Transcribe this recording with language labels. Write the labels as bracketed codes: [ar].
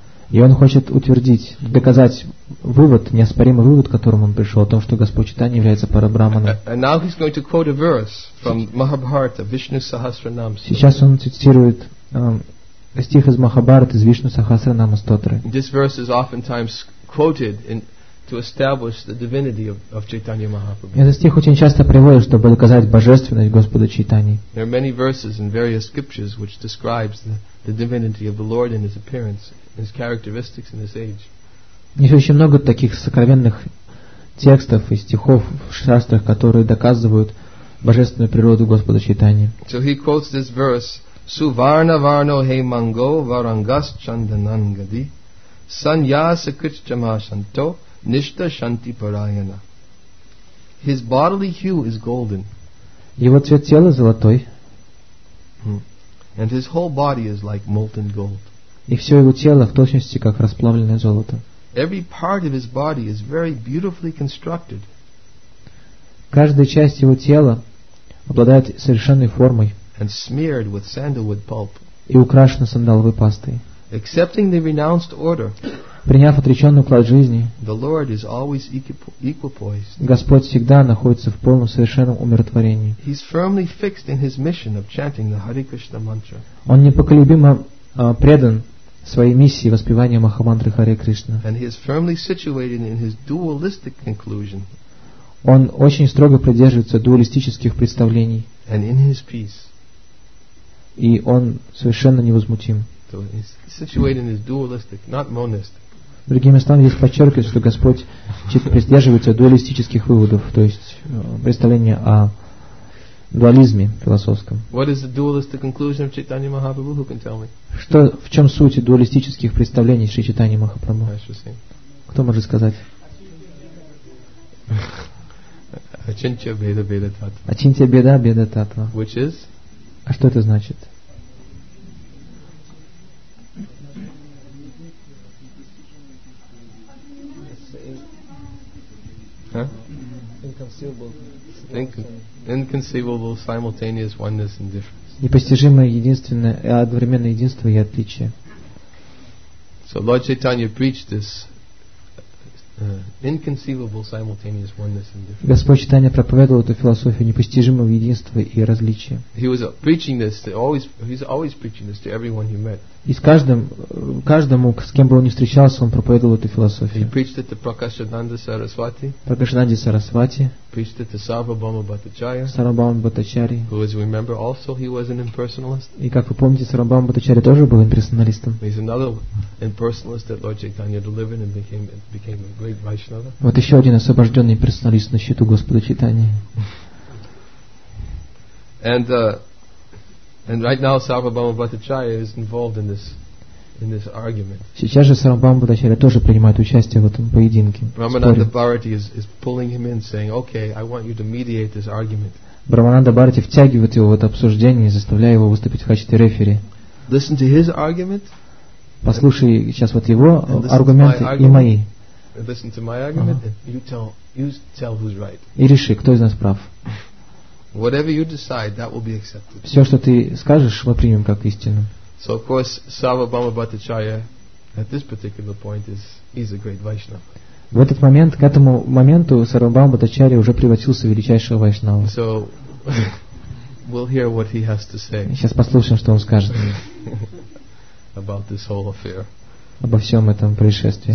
[ru] И он хочет утвердить, доказать вывод, неоспоримый вывод, к которому он пришел, о том, что Господь Чайтанья является Парабрахманом. Сейчас он цитирует стих из Махабхараты, из Вишну Сахасранама Стотры. [en] This verse is oftentimes quoted in to establish the divinity of Chaitanya Mahaprabhu. [ru] Этот стих очень часто приводят, чтобы доказать божественность Господа Чайтани. [en] There are many verses in various scriptures which describes the divinity of the Lord in his appearance, his characteristics, and his age. [ru] Есть очень много таких сокровенных текстов и стихов в шастрах, которые доказывают божественную природу Господа Чайтани. [en] So he quotes this verse: [sa] Suvarna varno he mango varangas chandanangadi sanyasa kuchchama shanto nishta shanti parayana. [en] His bodily hue is golden. [ru] Его цвет тела золотой. [en] And his whole body is like molten gold. [ru] И все его тело в точности как расплавленное золото. [en] Every part of his body is very beautifully constructed. [ru] Каждая часть его тела обладает совершенной формой. [en] And smeared with sandalwood pulp. [ru] И украшена сандаловой пастой. [en] Accepting the renounced order. [ru] Приняв отреченный уклад жизни. [en] The Lord is always equipoised. [ru] Господь всегда находится в полном совершенном умиротворении. [en] He's firmly fixed in his mission of chanting the Hare Krishna mantra. [ru] Он непоколебимо предан своей миссии воспевания Махамантры Харе Кришна. [en] And he is firmly situated in his dualistic conclusion. [ru] Он очень строго придерживается дуалистических представлений. [en] And in his peace. [ru] И он совершенно невозмутим. Другими словами, здесь подчеркивает, что Господь придерживается дуалистических выводов, то есть представления о дуализме философском. Что, в чем суть дуалистических представлений Шри Чайтаньи Махапрабху? Кто может сказать? [sa] Ачинтья беда беда татва. [ru] А что это значит? [en] Inconceivable simultaneous oneness and difference. [ru] Непостижимое единственное, одновременное единство и отличие. [en] So Lord Chaitanya preached this inconceivable simultaneous oneness and difference. [ru] Господь Чайтанья проповедовал эту философию непостижимого единства и различия. [en] He's always preaching this to everyone he met. [ru] И каждому, с кем бы он ни встречался, он проповедовал эту философию. [en] He preached it to Prakashananda Sarasvati. [ru] Prakashananda Sarasvati. [en] Preached it to Sarvabhauma Bhattacharya. [ru] Sarvabhauma Bhattachari. [en] Who, as we remember, also he was an impersonalist. [ru] И как вы помните, Сарвабхаума Бхаттачари тоже был имперсоналистом. [en] He's another impersonalist that Lord Chaitanya delivered and became a great Vaishnava. [ru] Вот еще один освобожденный имперсоналист на счету Господа Чайтаньи. [en] And right now Sarvabhauma Bhattacharya is involved in this argument. [ru] Сейчас же Сарвабхаума Бхаттачари тоже принимает участие в этом поединке. [en] Рамананда Бхарати is pulling him in, saying, "Okay, I want you to mediate this argument." [ru] Брамананда Бхарати втягивает его в это обсуждение, заставляя его выступить в качестве рефери. [en] Listen to his argument. [ru] Послушай сейчас вот его аргументы и мои. [en] Listen to my argument. You tell who's right. [ru] И реши, кто из нас прав. [en] Whatever you decide, that will be accepted. [ru] Все, что ты скажешь, мы примем как истину. [en] So of course, Sarvabhauma Bhattacharya at this particular point is a great Vaishnava. [ru] В этот момент, к этому моменту, Сарвабхаума Бхаттачари уже превратился в величайшего вайшнава. [en] So we'll hear what he has to say. [ru] Сейчас послушаем, что он скажет. [en] About this whole affair. [ru] Обо всем этом происшествии.